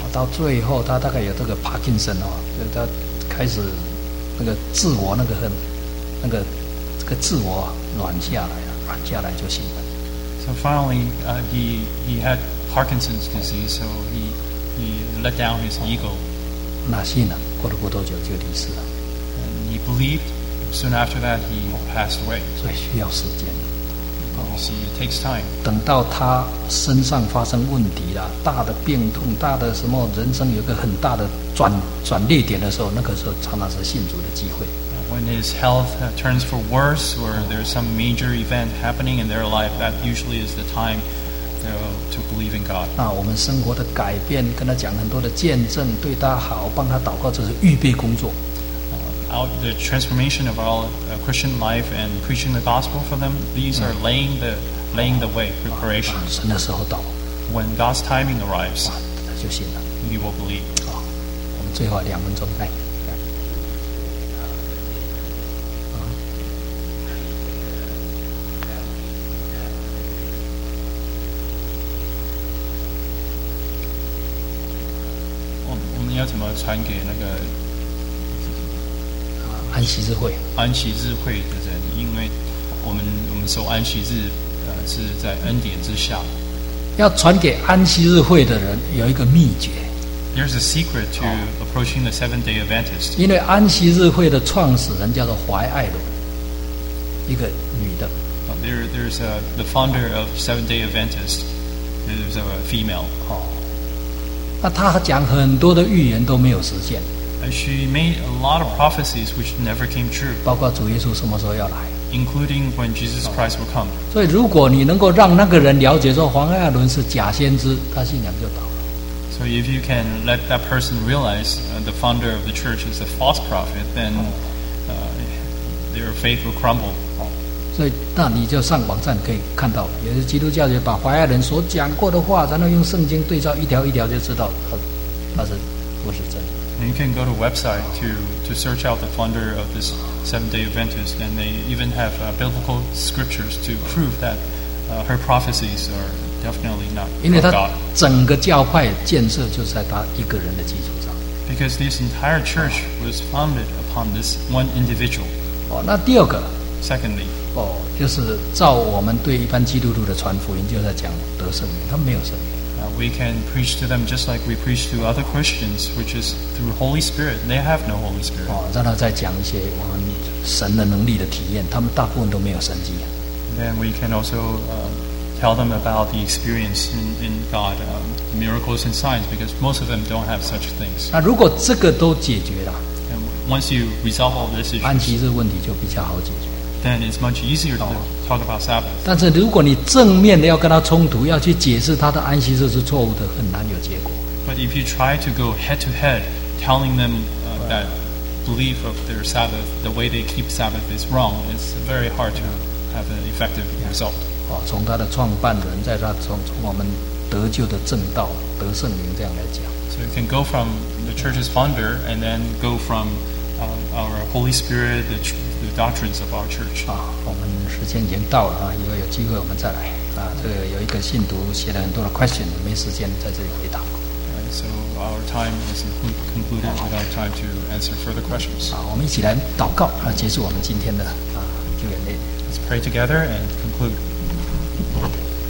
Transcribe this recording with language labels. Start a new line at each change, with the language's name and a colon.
Chinese: 到最后，他大概有这个 Parkinson 哦，就他开始那个自我那个很那个这个自我软下来了，软下来就信了。
English: So finally, he had Parkinson's disease, so he let down his ego.
Chinese: 那信了，过了不多久就离世了。
English: And he believed. Soon after that, he passed away.
Chinese: 所以需要时间。
English: You see, it takes time.
Chinese: 等到他身上发生问题了，大的病痛，大的什么，人生有个很大的转捩点的时候，那个时候常常是信主的机会。
English: When his health turns for worse, or there's some major event happening in their life, that usually is the time to believe in God.
Chinese: 那我们生活的改变，跟他讲很多的见证，对他好，帮他祷告，这是预备工作。
English: The transformation of our Christian life and preaching the gospel for them, these are laying the way, preparation.
Chinese: 神的时候到。
English: When God's timing arrives,
Chinese: 他就信了。
English: You will believe.
Chinese: 我们最后两分钟，来。要怎么传给那个安息日会？安息日会的人，因为我们守安息日，是在恩典之下。要传给安息日会的人有一个秘诀。
English: There's a secret to approaching the Seventh Day Adventist.
Chinese: 因为安息日会的创始人叫做怀爱伦，一个女的。
English: There's a the founder of Seventh Day Adventist is a female.
Chinese: 那他讲很多的预言都没有实现。
English: She made a lot of prophecies which never came true.
Chinese: 包括主耶稣什么时候要来。
English: Including when Jesus Christ will come.
Chinese: 所以如果你能够让那个人了解说黄艾伦是假先知，他信仰就倒了。
English: So if you can let that person realize the founder of the church is a false prophet, then their faith will crumble.
Chinese: 所以那你就上网站可以看到，也是基督教也把怀爱伦所讲过的话，然后用圣经对照一条一条，就知道他是不是真的。
English: You can go to website to search out the founder of this Seventh Day Adventist, and they even have biblical scriptures to prove that her prophecies are definitely not.
Chinese: 因为他整个教派建设就是在他一个人的基础上。
English: Because this entire church was founded upon this one individual.
Chinese: 那第二个。
English: Secondly.
Chinese: 就是照我们对一般基督徒的传福音，就在讲得圣灵，他们没有圣灵。
English: We can preach to them just like we preach to other Christians, which is through Holy Spirit. They have no Holy Spirit.
Chinese: 让他再讲一些我们神的能力的体验，他们大部分都没有神迹。
English: Then we can also tell them about the experience in God, miracles and signs, because most of them don't have such things.
Chinese: 那如果这个都解决了
English: ，And once you resolve all this issues,
Chinese: 安息日问题就比较好解决。
English: Then it's much easier to talk about Sabbath.
Chinese: 但是如果你正面的要跟他冲突，要去解释他的安息日是错误的，很难有结果。
English: But if you try to go head to head, telling them that belief of their Sabbath, the way they keep Sabbath is wrong, it's very hard to have an effective result.
Chinese: 从他的创办人，在他从我们得救的正道得圣灵这样来讲。
English: So you can go from the church's founder, and then go from our Holy Spirit, the doctrines of our church.
Chinese: 我们时间已经到了，以后有机会我们再来。这个有一个信徒写了很多的 question, 没时间在这里回答。
English: So our time is concluded without time to answer further questions.
Chinese: 我们一起来祷告，结束我们今天的Q&A。
English: Let's pray together and conclude.